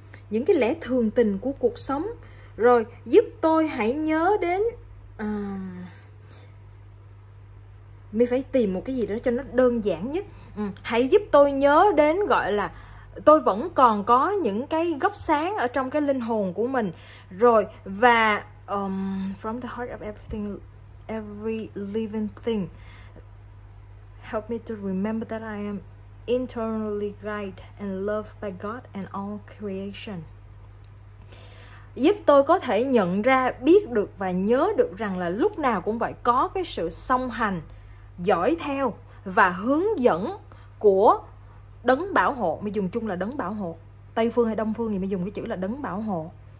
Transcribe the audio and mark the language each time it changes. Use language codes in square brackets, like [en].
[vi] Những cái lẽ thường tình của cuộc sống. Rồi, giúp tôi hãy nhớ đến... mình phải tìm một cái gì đó cho nó đơn giản nhất. Hãy giúp tôi nhớ đến gọi là tôi vẫn còn có những cái góc sáng ở trong cái linh hồn của mình. Rồi, và... [en] from the heart of everything, every living thing. Help me to remember that I am internally guided and loved by God and all creation. [vi] Giúp tôi có thể nhận ra, biết được và nhớ được rằng là lúc nào cũng vậy, có cái sự song hành, dõi theo và hướng dẫn của đấng bảo hộ. Mình dùng chung là đấng bảo hộ. Tây Phương hay Đông Phương thì mình dùng cái chữ là đấng bảo hộ.